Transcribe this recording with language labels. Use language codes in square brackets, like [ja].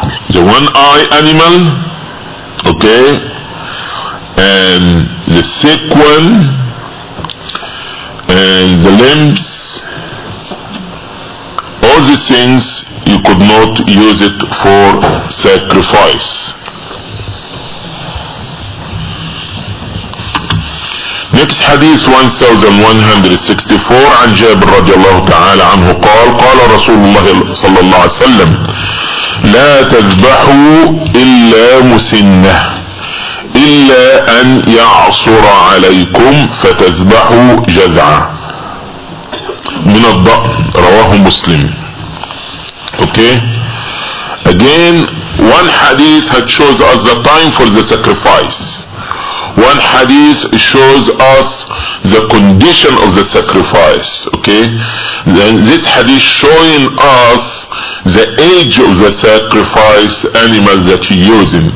[en] The one eye animal, okay, and the sick one, and the limbs, all these things you could not use it for sacrifice. Next hadith 1164, [ar] عن جابر رضي الله تعالى عنه قال قال رسول الله صلى الله عليه وسلم لا تذبحوا إلا مسنة إلا أن يعصر عليكم فتذبحوا جذعة من الضأن. رواه مسلم. [en] Okay, again, one hadith had shows us the time for the sacrifice. One hadith shows us the condition of the sacrifice. Okay, then this hadith showing us the age of the sacrifice animal that you're using.